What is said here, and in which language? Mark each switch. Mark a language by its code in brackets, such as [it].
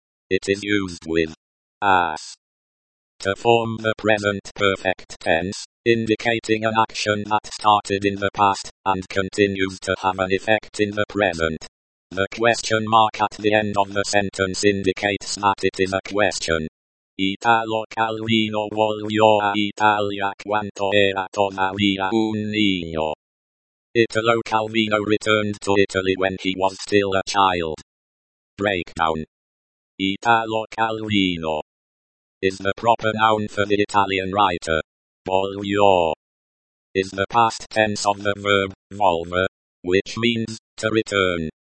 [en] It is used with, has, to form the present perfect tense, indicating an action that started in the past, and continues to have an effect in the present. The question mark at the end of the sentence indicates that it is a question. [es] Italo Calvino volvió a Italia cuando era todavía un niño. [en] Italo Calvino returned to Italy when he was still a child. Breakdown. Italo Calvino is the proper noun for the Italian writer. Volvió is the past tense of the verb, volver, which means, to return.